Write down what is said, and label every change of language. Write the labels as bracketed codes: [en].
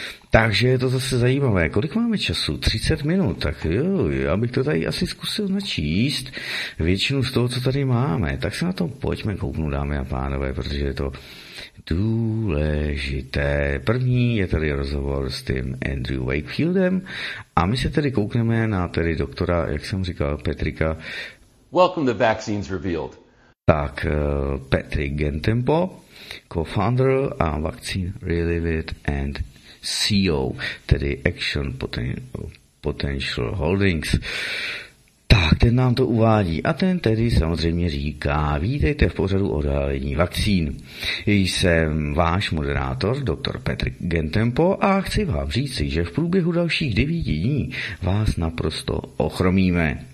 [cs] Takže je to zase zajímavé, kolik máme času? 30 minut, tak jo, já bych to tady asi zkusil načíst, většinu z toho, co tady máme, tak se na to pojďme kouknu, dámy a pánové, protože je to důležité. První je tady rozhovor s tím Andrew Wakefieldem a my se tady koukneme na tady doktora, jak jsem říkal, Patrika. [en] Welcome to Vaccines Revealed. [cs] Tak, Patrick Gentempo, co-founder a Vaccine Revealed and CEO, tedy Action Potential Holdings. Tak, ten nám to uvádí a ten tedy samozřejmě říká, vítejte v pořadu odhalení vakcín. Jsem váš moderátor, doktor Patrick Gentempo, a chci vám říci, že v průběhu dalších 9 dní vás naprosto ochromíme.